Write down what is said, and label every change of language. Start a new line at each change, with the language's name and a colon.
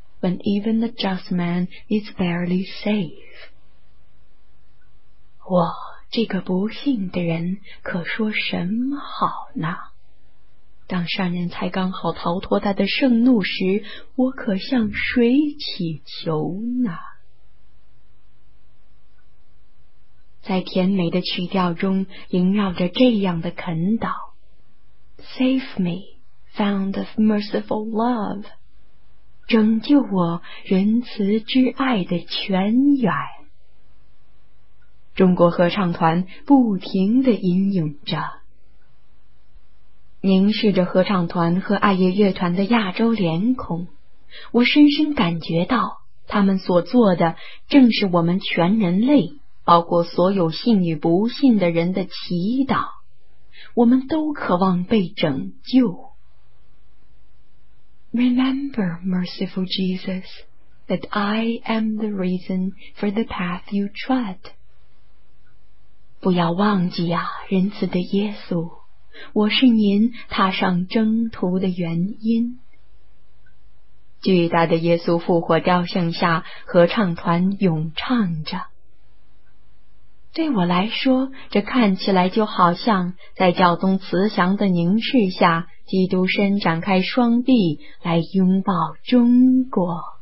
English: When even the just man is barely safe.
Chinese: 我这个不幸的人可说什么好呢？当善人才刚好逃脱他的盛怒时，我可向谁祈求呢？在甜美的曲调中萦绕着这样的恳祷：
English: Save me, fount of merciful love，
Chinese: 拯救我，仁慈之爱的泉源。中国合唱团不停地吟咏着，凝视着合唱团和爱乐乐团的亚洲脸孔，我深深感觉到他们所做的正是我们全人类，包括所有信与不信的人的祈祷。我们都渴望被拯救。
English: Remember, merciful Jesus, that I am the reason for the path you tread.
Chinese: 不要忘记啊，仁慈的耶稣，我是您踏上征途的原因。巨大的耶稣复活雕像下，合唱团咏唱着。对我来说，这看起来就好像在教宗慈祥的凝视下，基督伸展开双臂来拥抱中国。